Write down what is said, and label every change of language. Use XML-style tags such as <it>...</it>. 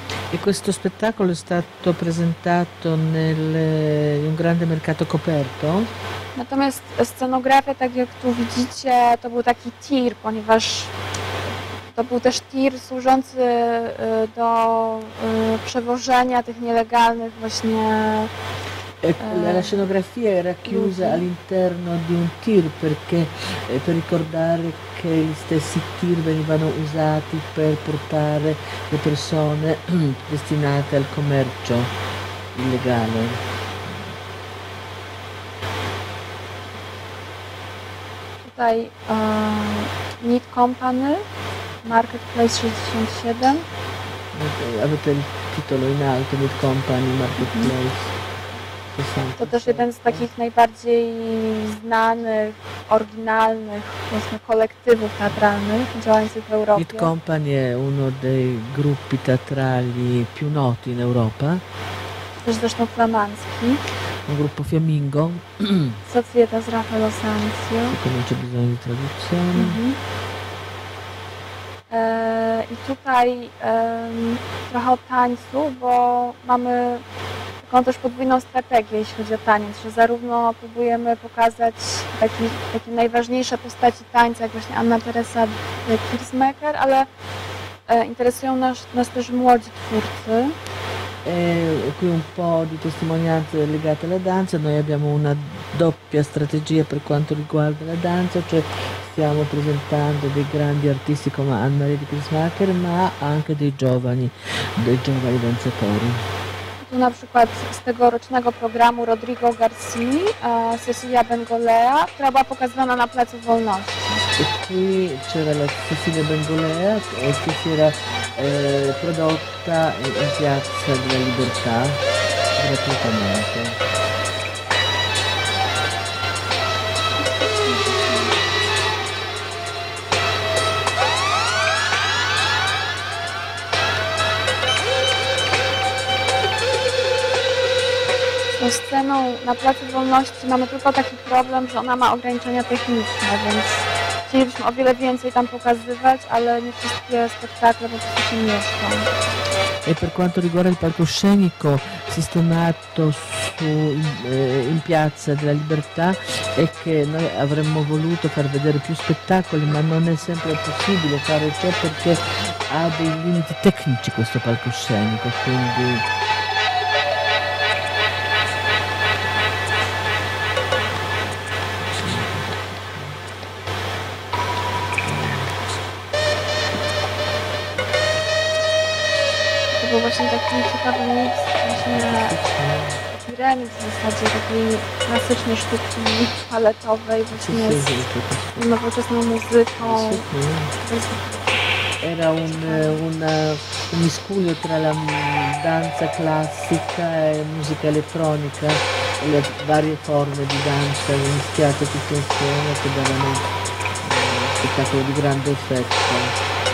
<it>E questo spettacolo è stato presentato in un grande mercato coperto.</it> <pl>Natomiast scenografia, tak jak tu widzicie, to był taki tir, ponieważ to był też tir służący do przewożenia tych nielegalnych właśnie.</pl> <it>La scenografia era chiusa all'interno di un tir, perché per ricordare che gli stessi tir venivano usati per portare le persone destinate al commercio illegale.</it> <pl>Tutaj Knit Company, Marketplace 67.</pl> <it>Avete il titolo in alto, Knit Company, Marketplace.</it> <pl>To też jeden z takich najbardziej znanych, oryginalnych właśnie kolektywów teatralnych działających w Europie.</pl> <it>Knit Company è uno dei gruppi teatrali più noti in Europa.</it> <pl>Też zresztą flamandzki.</pl> <it>Un gruppo fiammingo. Società Raffaello Sanzio. Che non c'è bisogno di traduzione.</it> <pl>I tutaj trochę o tańcu, bo mamy taką też podwójną strategię, jeśli chodzi o taniec, że zarówno próbujemy pokazać takie najważniejsze postaci tańca, jak właśnie Anna Teresa Kirzmecker, ale interesują nas też młodzi twórcy.</pl> <it>Qui un po' di testimonianze legate alla danza. Noi abbiamo una doppia strategia per quanto riguarda la danza, cioè stiamo presentando dei grandi artisti come Anna Teresa Kirzmecker, ma anche dei giovani danzatori.</it> <pl>Tu na przykład z tegorocznego programu Rodrigo Garcini, Cecilia Bengolea, która była pokazywana na Placu Wolności.</pl> <it>E qui c'era la Cecilia Bengolea, che si era prodotta in Piazza della Libertà, gratuitamente.</it> <pl>Sceną na Placu Wolności mamy tylko taki problem, że ona ma ograniczenia techniczne, więc chcielibyśmy o wiele więcej tam pokazywać, ale nie wszystkie spektakle po prostu się mieszczą.</pl> <it>E per quanto riguarda il palcoscenico sistemato in Piazza della Libertà, è che noi avremmo voluto far vedere più spettacoli, ma non è sempre possibile fare ciò, perché ha dei limiti tecnici questo palcoscenico, quindi</it> <pl>było właśnie taki ciekawy miks właśnie na piramid w zasadzie takiej klasycznej sztuki paletowej właśnie z nowoczesną muzyką.</pl> <it>Era un miscuglio tra la danza classica e musica elettronica, le varie forme di danza mischiate tutte insieme che davano un spettacolo di grande effetto.</it>